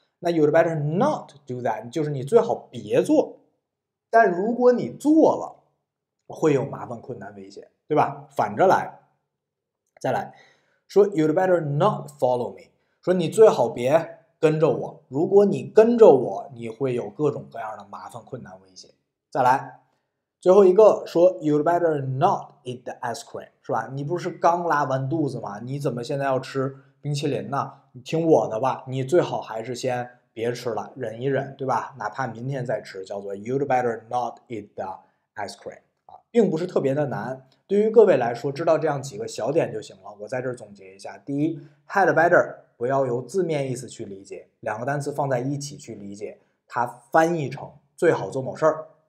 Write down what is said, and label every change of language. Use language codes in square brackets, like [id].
[zh] 那 [en] "You'd better not do that" [zh] 就是你最好别做，但如果你做了，会有麻烦、困难、危险，对吧？反着来，再来说 [en] "You'd better not follow me"， [zh] 说你最好别跟着我，如果你跟着我，你会有各种各样的麻烦、困难、危险。再来。最后一个说， [en] You'd better not eat the ice cream，是吧？ [zh] 你不是刚拉完肚子吗？你怎么现在要吃冰淇淋呢？你听我的吧，你最好还是先别吃了，忍一忍，对吧？哪怕明天再吃，叫做 [en] You'd better not eat the ice cream [zh] 啊，并不是特别的难。对于各位来说，知道这样几个小点就行了。我在这儿总结一下：第一，had better 不要由字面意思去理解，两个单词放在一起去理解，它翻译成最好做某事儿。